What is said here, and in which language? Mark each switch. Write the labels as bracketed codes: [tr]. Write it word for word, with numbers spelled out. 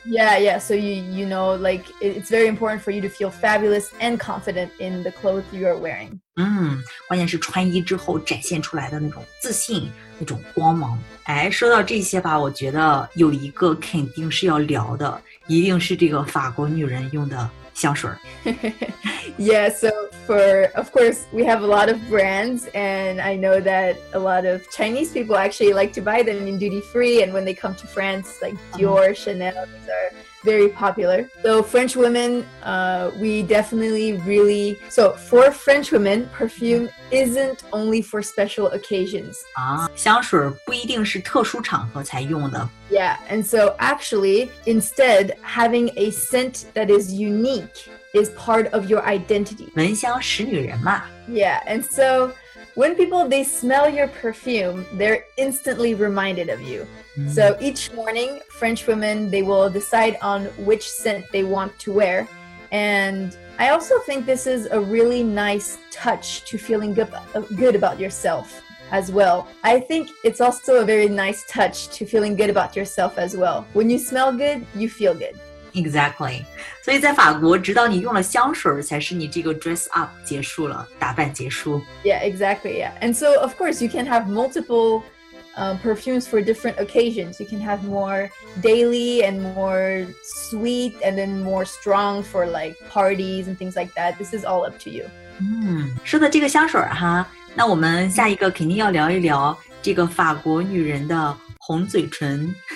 [en] Yeah, yeah. So you you know, like it's very important for you to feel fabulous and confident in the clothes you are wearing. [zh] 嗯，关键是穿衣之后展现出来的那种自信，那种光芒。哎，说到这些吧，我觉得有一个肯定是要聊的，一定是这个法国女人用的香水。 [en] Yeah, so for, of course, we have a lot of brands, and I know that a lot of Chinese people actually like to buy them in duty free, and when they come to France, like Dior, Chanel, these are very popular. So French women, uh, we definitely really, so for French women, perfume isn't only for special occasions. [zh] 啊，香水不一定是特殊场合才用的。 [en] Yeah, and so actually, instead, having a scent that is unique is part of your identity. [zh] 闻香识女人嘛。 [en] Yeah, and so when people, they smell your perfume, they're instantly reminded of you. Mm. So each morning, French women, they will decide on which scent they want to wear. And I also think this is a really nice touch to feeling good, good about yourself. As well. I think it's also a very nice touch to feeling good about yourself as well. When you smell good, you feel good. Exactly. [zh] 所以在法国，直到你用了香水，才是你这个 [en] dress up [zh] 结束了，打扮结束。 [en] Yeah, exactly. Yeah. And so, of course, you can have multiple uh, perfumes for different occasions. You can have more daily and more sweet and then more strong for like parties and things like that. This is all up to you. [zh] 嗯，说到这个香水哈。那我们下一个肯定要聊一聊这个法国女人的红嘴唇。